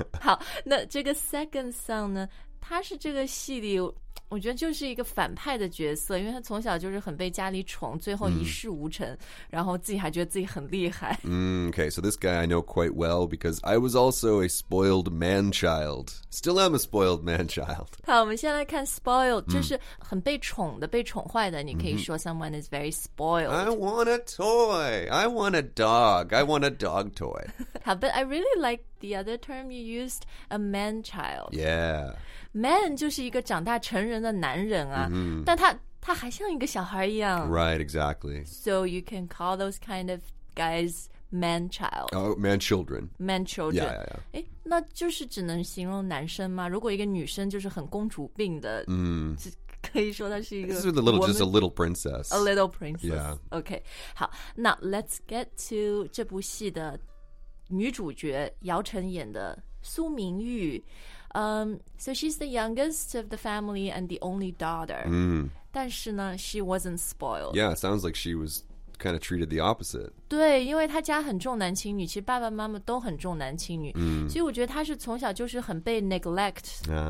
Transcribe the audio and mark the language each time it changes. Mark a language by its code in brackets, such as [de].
[zh] 好，那这个 second son 呢，他是这个戏里我觉得就是一个反派的角色，因为他从小就是很被家里宠，最后一事无成，然后自己还觉得自己很厉害。 [en] Okay, so this guy I know quite well because I was also a spoiled man child. Still am a spoiled man child. [zh] 好，我们先来看 spoiled, 就是很被宠的，被宠坏的。你可以说 [en] someone is very spoiled. I want a toy. I want a dog. I want a dog toy. 好 but I really like the other term you used, a man child. Yeah. [zh] Man 就是一个长大成人的男人啊、但他还像一个小孩一样。 [en] Right, exactly. So you can call those kind of guys man child. Oh, man children. Man children. Yeah, yeah, yeah. [zh] 那就是只能形容男生吗？如果一个女生就是很公主病的、可以说她是一个 [en] This is a little, just a little princess. A little princess. Yeah. [zh] Okay, 好 [en] Now let's get to [zh] 这部戏的女主角姚晨演的苏明玉。 [en] So she's the youngest of the family and the only daughter. [zh] 但是呢 [en] she wasn't spoiled. Yeah, sounds like she was kind of treated the opposite. [zh] 对，因为他家很重男轻女，其实爸爸妈妈都很重男轻女，所以我觉得他是从小就是很被 neglect.